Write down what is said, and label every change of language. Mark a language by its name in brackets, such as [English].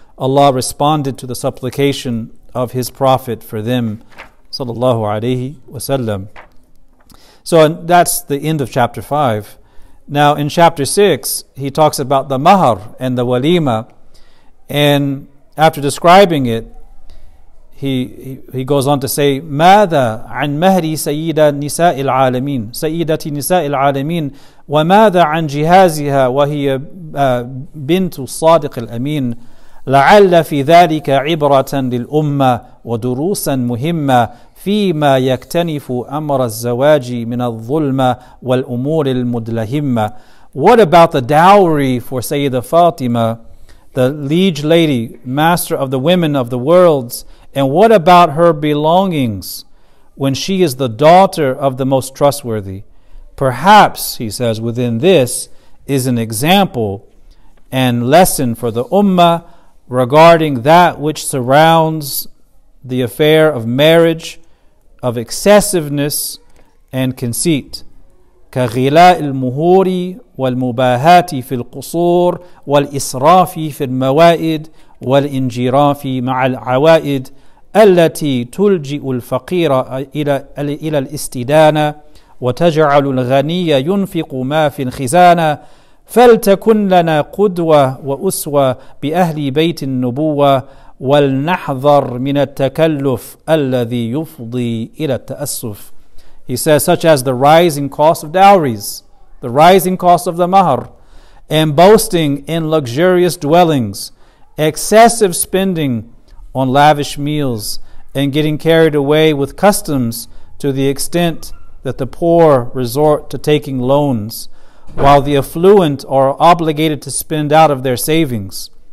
[English] Allah responded to the supplication of His Prophet for them, [Arabic] sallallahu alaihi wasallam. [English] So that's the end of chapter 5. Now in chapter 6, he talks about the mahar and the walima, and after describing it, he goes on to say, [Arabic] ماذا عن مهر سيدة نساء العالمين سيدة نساء العالمين وماذا عن جهازها وهي بنت الصادق الأمين لعل في ذلك عبرة للأمة ودروسا مهمة فيما يكتنف أمر الزواج من الظلمة والأمور المدلهمة. [English] What about the dowry for Sayyida Fatima, the liege lady, master of the women of the worlds? And what about her belongings when she is the daughter of the most trustworthy? Perhaps, he says, within this is an example and lesson for the ummah regarding that which surrounds the affair of marriage, of excessiveness and conceit. [Arabic] كغلاء المهور والمباهات في القصور والإسراف في الموائد والانجراف مع العوائد التي تلجئ الفقير إلى الاستدانة وتجعل الغني ينفق ما في الخزانة فلتكن لنا قدوة وأسوة بأهل بيت النبوة ولنحذر من التكلف الذي يفضي إلى التأسف. [English] He says, such as the rising cost of dowries, the rising cost of the mahar, and boasting in luxurious dwellings, excessive spending on lavish meals, and getting carried away with customs to the extent that the poor resort to taking loans, while the affluent are obligated to spend out of their savings.